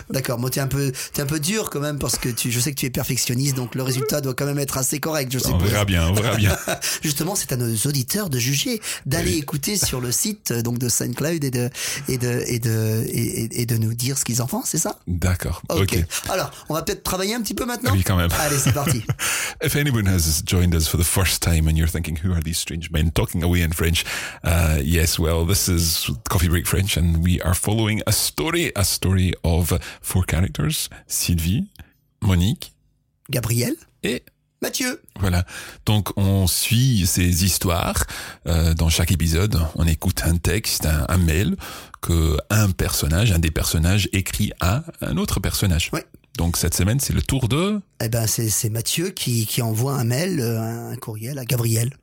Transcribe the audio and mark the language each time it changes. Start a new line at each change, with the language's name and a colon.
French: D'accord, moi, t'es un peu dur quand même parce que je sais que tu es perfectionniste, donc le résultat doit quand même être assez correct, je suppose. On verra bien. Justement, c'est à nos auditeurs de juger, d'aller écouter sur le site donc de SoundCloud et de nous dire ce qu'ils en font, c'est ça? D'accord. Okay. Alors, on va peut-être travailler un petit peu maintenant. Oui, quand même. Allez, c'est parti.
English: If anyone has joined us for the first time and you're thinking, who are these strange men talking away in French? Yes, well, this is Coffee Break French, and we are following a story of 4 characters: Sylvie, Monique, Gabriel
French: et Mathieu. Voilà, donc on suit ces histoires. Dans chaque épisode, on écoute un texte, un mail que un des personnages écrit à un autre personnage. Ouais. Donc cette semaine, c'est le tour de... Eh ben, c'est Mathieu qui envoie un mail, un courriel à Gabriel.